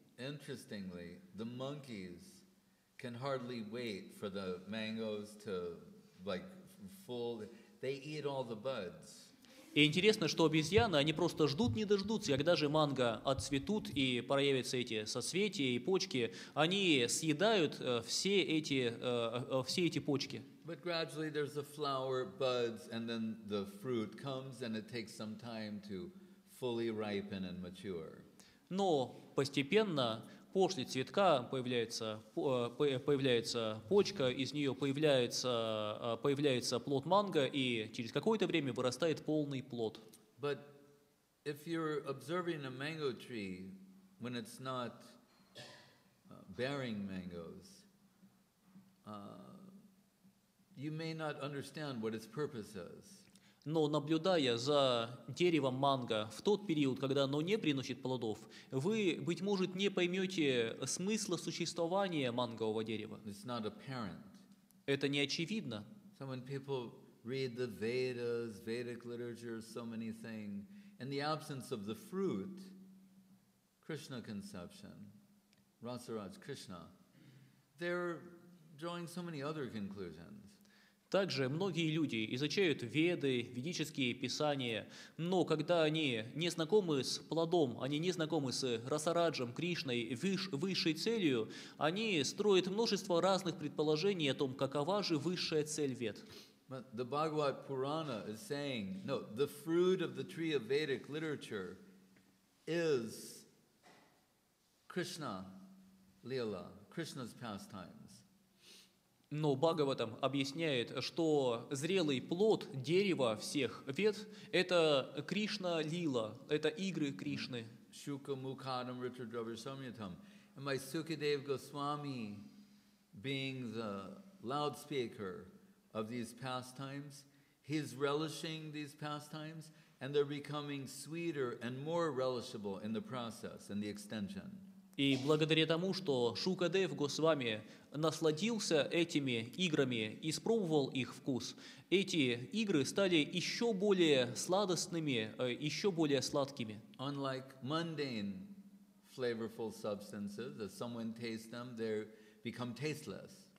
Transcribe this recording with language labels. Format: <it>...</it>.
<en>Interestingly, the monkeys can hardly wait for the mangoes to, like, full. They eat all the buds.</en> <ru>И интересно, что обезьяны, они просто ждут, не дождутся, когда же манго отцветут и проявятся эти соцветия и почки, они съедают все эти почки.</ru> <en>But gradually there's a flower, buds, and then the fruit comes, and it takes some time to fully ripen and mature.</en> <ru>Но постепенно, после цветка появляется почка, из нее появляется плод манго, и через какое-то время вырастает полный плод.</ru> <en>But if you're observing a mango tree when it's not bearing mangoes, you may not understand what its purpose is.</en> <ru>Но наблюдая за деревом манго в тот период, когда оно не приносит плодов, вы, быть может, не поймете смысла существования мангового дерева.</ru> <en>It's not apparent.</en> <ru>Это не очевидно.</ru> <en>So when people read the Vedas, Vedic literature, so many things, in the absence of the fruit, Krishna conception, Rasaraj Krishna, they're drawing so many other conclusions.</en> <ru>Также многие люди изучают веды, ведические писания, но когда они не знакомы с плодом, они не знакомы с Расараджем, Кришной, высшей целью, они строят множество разных предположений о том, какова же высшая цель вед.</ru> <en>The Bhagavad Purana is saying, no, the fruit of the tree of Vedic literature is Krishna Lila, Krishna's pastime.</en> <ru>Но Бхагаватам объясняет, что зрелый плод дерева всех вед – это Кришна-лила, это игры Кришны.</ru> <sa>Shuka Mukhadam Ritradravya Samyatam.</sa> <en>Am I Sukadev Goswami being the loudspeaker of these pastimes? He's relishing these pastimes, and they're becoming sweeter and more relishable in the process, in the extension.</en> <ru>И благодаря тому, что Шукадев Госвами насладился этими играми, испробовал их вкус, эти игры стали еще более сладостными, еще более сладкими.</ru> <en>Unlike mundane flavorful substances, if someone tastes them, they become tasteless.</en>